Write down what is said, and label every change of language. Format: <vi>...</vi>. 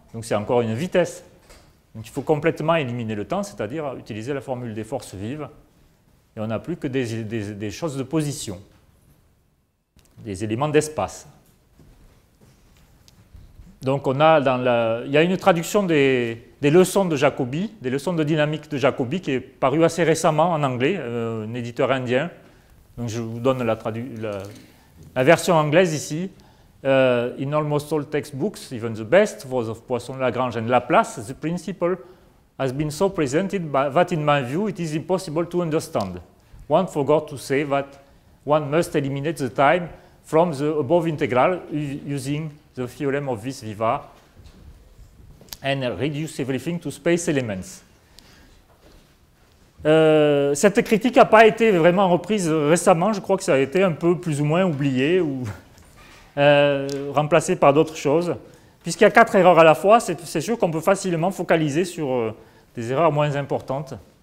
<fr>Donc c'est encore une vitesse. Donc il faut complètement éliminer le temps, c'est-à-dire utiliser la formule des forces vives, et on n'a plus que des choses de position, des éléments d'espace. Donc on a il y a une traduction des leçons de Jacobi, des leçons de dynamique de Jacobi, qui est parue assez récemment en anglais, un éditeur indien. Donc je vous donne la version anglaise ici.</fr> <en>In almost all textbooks, even the best, those of Poisson, Lagrange and Laplace, the principle has been so presented that, in my view, it is impossible to understand. One forgot to say that one must eliminate the time from the above integral using the theorem of Vis-Viva and reduce everything to space elements.</en> <fr>Cette critique n'a pas été vraiment reprise récemment. Je crois que ça a été un peu plus ou moins oublié ou... remplacé par d'autres choses. Puisqu'il y a quatre erreurs à la fois, c'est sûr qu'on peut facilement focaliser sur des erreurs moins importantes.</fr>